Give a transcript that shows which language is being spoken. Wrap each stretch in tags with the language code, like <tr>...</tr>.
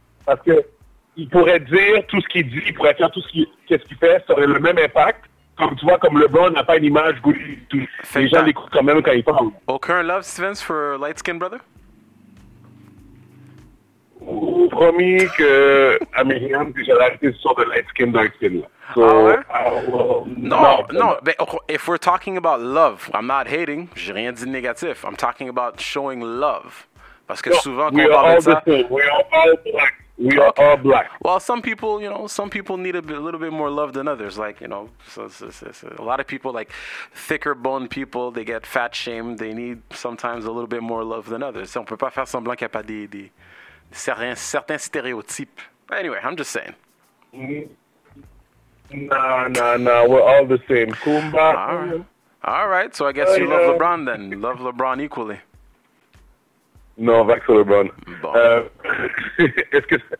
<fr>Parce que il pourrait dire tout ce qu'il dit, il pourrait faire tout ce qu'il fait, ça aurait le même impact. Comme tu vois, comme LeBron n'a pas une image Goody Touchouze. Les gens l'écoutent quand même quand il parle.</fr> <en>Aucun love, Stevens, for Light Skin Brother?</en> <fr>Promis que à Miriam que j'allais arrêter ce genre de light skin dark skin. So, ah ouais? Non.</fr> <en>But if we're talking about love, I'm not hating.</en> <fr>J'ai rien dit de négatif.</fr> <en>I'm talking about showing love.</en> <fr>Parce que souvent quand on parle de ça,</fr> <en>we are all black. We are all black. Well, some people, you know, some people need a little bit more love than others. Like, you know, so a lot of people, like thicker bone people, they get fat shamed. They need sometimes a little bit more love than others.</en> <fr>On peut pas faire semblant qu'il y a pas des certains stéréotypes.</fr> <en>But anyway, I'm just saying. Nah, we're all the same. Kumba. All right, so I guess you love LeBron then. Love LeBron equally. No, back to LeBron.</en> <fr>Bon. est-ce que...</fr>